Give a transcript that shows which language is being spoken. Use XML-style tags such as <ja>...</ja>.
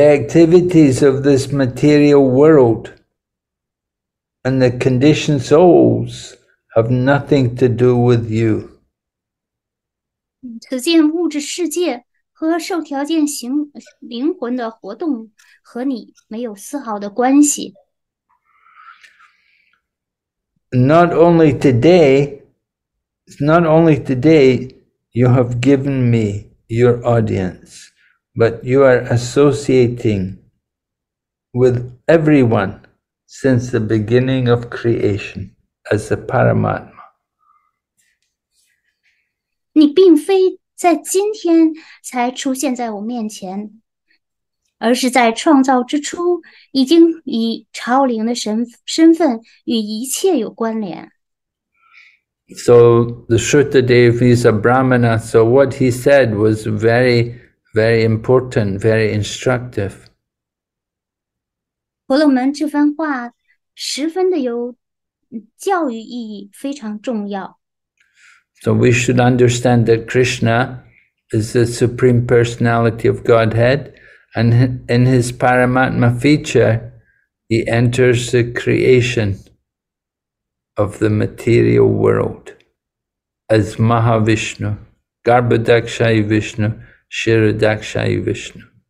<en>activities of this material world and the conditioned souls have nothing to do with you.</en> <zh>此间物质世界和受条件灵魂的活动和你没有丝毫的关系。</zh> <en>Not only today, not only today you have given me your audience, but you are associating with everyone since the beginning of creation as the Paramatma.</en> <zh>你并非在今天才出现在我面前，而是在创造之初已经以超灵的身份与一切有关联。</zh> <en>So the Shruta Devi is a Brahmana, so what he said was very, very important, very instructive.</en> <zh>婆罗门这番话十分的有教育意义，非常重要。</zh> <en>So we should understand that Krishna is the Supreme Personality of Godhead, and in his Paramatma feature, he enters the creation of the material world as Mahavishnu, Garbhadakshayi Vishnu, Shiradakshayi Vishnu.</en>